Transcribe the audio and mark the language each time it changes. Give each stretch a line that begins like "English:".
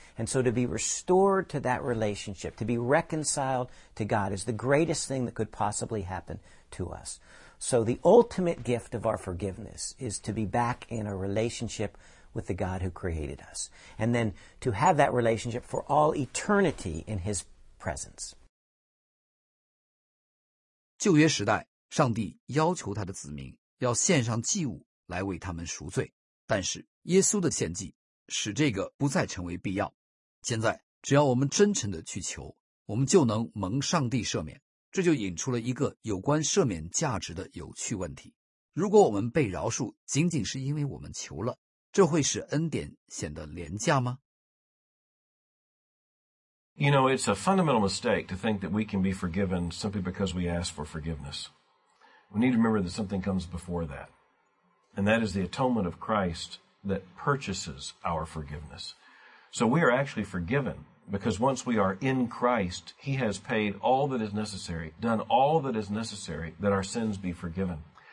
English: And so to be restored to that relationship, to be reconciled to God, is the greatest thing that could possibly happen to us. So the ultimate gift of our forgiveness is to be back in a relationship with the God who created us, and then to have that relationship for all eternity in His presence.
Chinese: 旧约时代，上帝要求他的子民要献上祭物来为他们赎罪，但是耶稣的献祭使这个不再成为必要。现在，只要我们真诚地去求，我们就能蒙上帝赦免。这就引出了一个有关赦免价值的有趣问题。如果我们被饶恕仅仅是因为我们求了，这会使恩典显得廉价吗？
English: You know, it's a fundamental mistake to think that we can be forgiven simply because we ask for forgiveness. We need to remember that something comes before that. And that is the atonement of Christ that purchases our forgiveness. So we are actually forgiven. Because once we are in Christ, He has paid all that is necessary, done all that is necessary that our sins be forgiven.